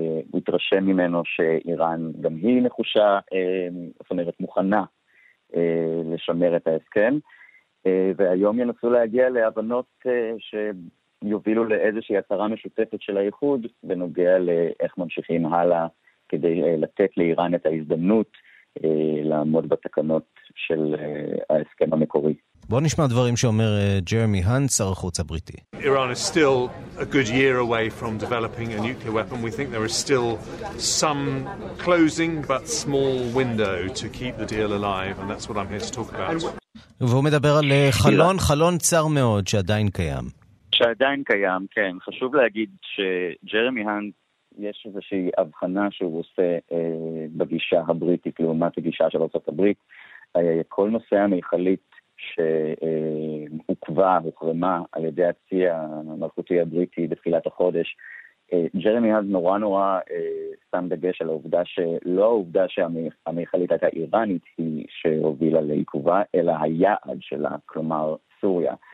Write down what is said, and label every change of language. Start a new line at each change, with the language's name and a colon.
Hebrew: הוא התרשם ממנו שאיראן גם היא נחושה, זאת אומרת מוכנה לשמר את ההסכם. והיום ינסו להגיע להבנות ש... יובילו לאיזושהי הצהרה משותפת של האיחוד בנוגע לאיך ממשיכים הלאה כדי לתת לאיראן את ההזדמנות לעמוד בתקנות של ההסכם המקורי. בוא נשמע דברים שאומר ג'רמי הנט, שר החוץ הבריטי.
English: Iran is still a good year away from developing a nuclear weapon. We think there is still some closing but small window to keep the deal alive, and that's what I'm here to talk about.
Hebrew: והוא מדבר על חלון צר מאוד שעדיין קיים. שעדיין קיים, כן. חשוב להגיד שג'רמי הנט, יש איזושהי הבחנה שהוא עושה בגישה הבריטית לעומת הגישה של ארצות הברית. כל נושא המיכלית שעוקבה, הוקרמה על ידי הצי המלכותי הבריטי בתחילת החודש, ג'רמי הנט נורא נורא שם דגש על העובדה שלא העובדה שהמיכלית הייתה איראנית היא שהובילה לעיכובה, אלא היעד שלה, כלומר סוריה.